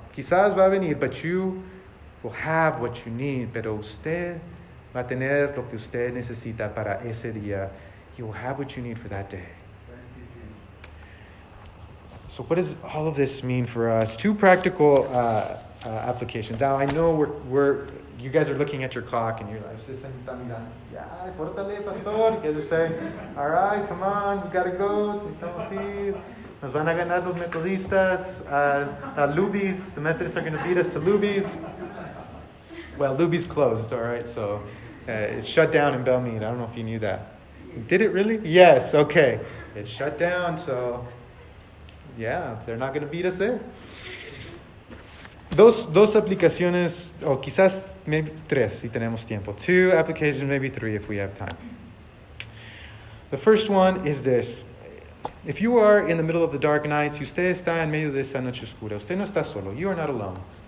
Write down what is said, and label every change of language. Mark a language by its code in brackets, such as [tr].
[es] Quizás va a venir, [en] but you will have what you need. [es] Pero usted va a tener lo que usted necesita para ese día. [en] You will have what you need for that day. So what does all of this mean for us? Two practical applications. Now, I know you guys are looking at your clock and you're like, yeah, [es] portale, pastor. [en] You guys are saying, all right, come on, you gotta go. [es] Estamos ir. Nos van a ganar los metodistas. Lubies. [en] The Methodists are gonna beat us to Lubies. Well, Lubies closed, all right, so it shut down in Belmead. I don't know if you knew that. Did it really? Yes, okay. It shut down, so yeah, they're not gonna beat us there. [es] Dos aplicaciones, o quizás [en] maybe [es] tres, si tenemos tiempo. [en] Two applications, maybe three if we have time. The first one is this. If you are in the middle of the dark night, [es] si usted está en medio de esa noche oscura, usted no está solo. [en] You are not alone.